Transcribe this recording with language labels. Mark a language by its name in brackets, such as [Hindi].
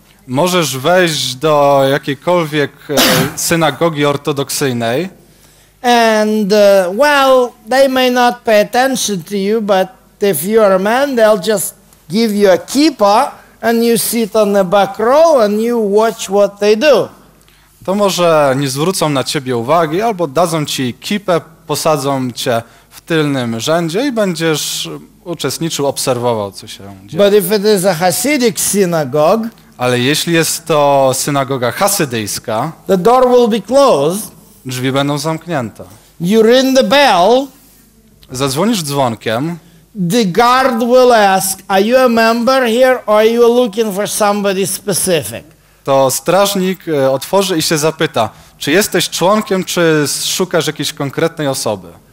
[Polish] Możesz wejść do jakiejkolwiek synagogi ortodoksyjnej. [English] And well, they may not pay attention to you, but if you are a man, they'll just give you a kippah and you sit on the back row and you watch what they do. [Polish] To może nie zwrócą na ciebie uwagi, albo dadzą ci kippę, posadzą cię w tylnym rzędzie i będziesz uczestniczył, obserwował, co się dzieje. [English] But if it is a Hasidic synagogue, [Polish] ale jeśli jest to synagoga hasydyjska, [English] the door will be closed, [Polish] drzwi będą zamknięte. [English] You ring the bell, [Polish] zadzwonisz dzwonkiem. [English] The guard will ask, are you a member here or are you looking for somebody specific? [Polish] To strażnik otworzy i się zapyta, czy jesteś członkiem, czy szukasz jakiejś konkretnej osoby.